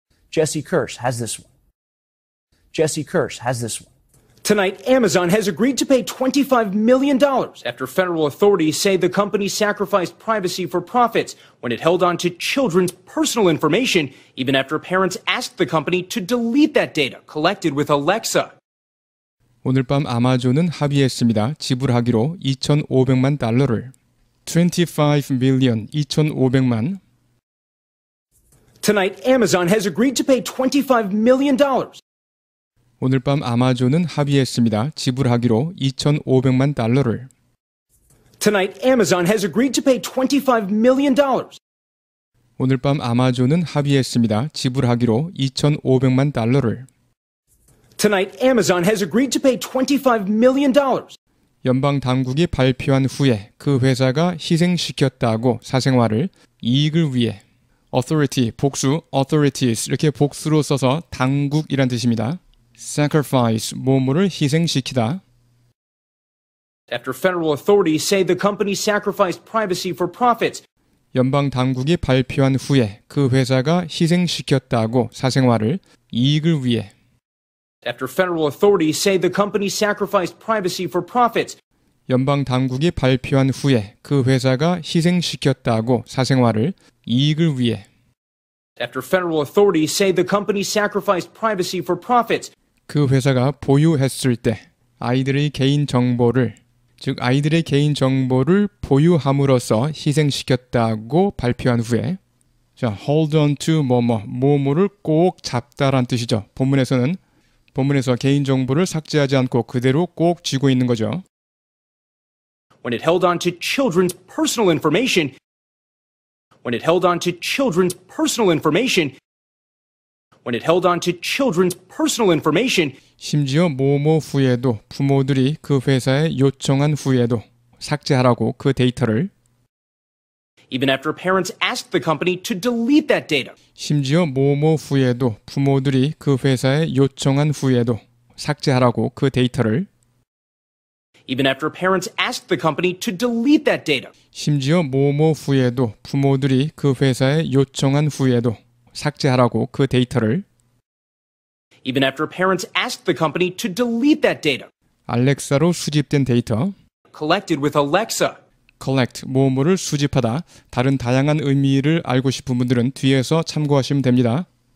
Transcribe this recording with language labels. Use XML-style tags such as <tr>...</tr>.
<en>Jesse Kirsch has this one. Jesse Kirsch has this one. Tonight, Amazon has agreed to pay $25 million after federal authorities say the company sacrificed privacy for profits when it held on to children's personal information, even after parents asked the company to delete that data collected with Alexa.</en> <ko>오늘 밤 아마존은 합의했습니다. 지불하기로 2,500만 달러를.</ko> <en>25 million,</en> <ko>2,500만.</ko> <en>Tonight, Amazon has agreed to pay $25 million.</en> <ko>오늘 밤 아마존은 합의했습니다. 지불하기로 2,500만 달러를.</ko> <en>Tonight, Amazon has agreed to pay $25 million.</en> <ko>오늘 밤 아마존은 합의했습니다. 지불하기로 2,500만 달러를.</ko> <en>Tonight, Amazon has agreed to pay $25 million.</en> <ko>연방 당국이 발표한 후에 그 회사가 희생시켰다고 사생활을 이익을 위해 authority 복수 authorities 이렇게 복수로 써서 당국이란 뜻입니다. sacrifice 뭐뭐를 희생시키다.</ko> <en>After federal authorities say the company sacrificed privacy for profits.</en> <ko>연방 당국이 발표한 후에 그 회사가 희생시켰다고 사생활을 이익을 위해</ko> <en>After federal authorities say the company sacrificed privacy for profits.</en> <ko>연방 당국이 발표한 후에 그 회사가 희생시켰다고 사생활을 이익을 위해</ko> <en>After federal authorities say the company sacrificed privacy for profits.</en> <ko>그 회사가 보유했을 때 아이들의 개인 정보를 즉 아이들의 개인 정보를 보유함으로써 희생시켰다고 발표한 후에 자,</ko> <en>hold on to</en> <ko>뭐뭐 뭐뭐를 꼭 잡다란 뜻이죠. 본문에서는 본문에서 개인 정보를 삭제하지 않고 그대로 꼭 쥐고 있는 거죠.</ko> <en>When it held on to children's personal information When it held on to children's personal information When it held on to children's personal information</en> <ko>심지어 뭐뭐 후에도 부모들이 그 회사에 요청한 후에도 삭제하라고 그 데이터를</ko> <en>Even after parents asked the company to delete that data.</en> <ko>심지어 뭐뭐 후에도 부모들이 그 회사에 요청한 후에도 삭제하라고 그 데이터를</ko> <en>Even after parents asked the company to delete that data.</en> <ko>심지어 뭐뭐 후에도 부모들이 그 회사에 요청한 후에도 삭제하라고 그 데이터를</ko> <en>Even after parents asked the company to delete that data.</en> <ko>알렉사로 수집된 데이터</ko> <en>collected with Alexa.</en> <ko>collect 뭐뭐를 수집하다 다른 다양한 의미를 알고 싶은 분들은 뒤에서 참고하시면 됩니다.</ko>